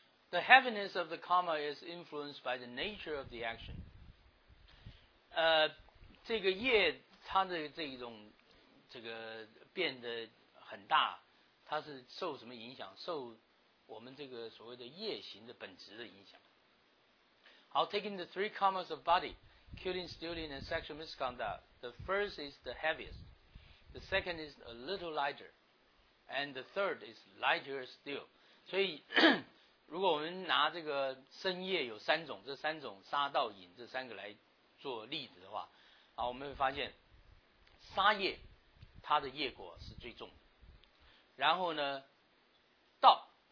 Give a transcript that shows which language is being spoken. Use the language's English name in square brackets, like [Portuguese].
[English] The heaviness of the karma is influenced by the nature of the action. [Chinese] 这个业它的这一种这个变得很大，它是受什么影响？受我们这个所谓的业行的本质的影响。好 [English] ，taking the three karmas of body, killing, stealing, and sexual misconduct, the first is the heaviest, the second is a little lighter, and the third is lighter still. [Chinese] 所以如果我们拿这个生业有三种，这三种杀盗淫这三个来做例子的话，啊，我们会发现杀业它的业果是最重的，然后呢，盗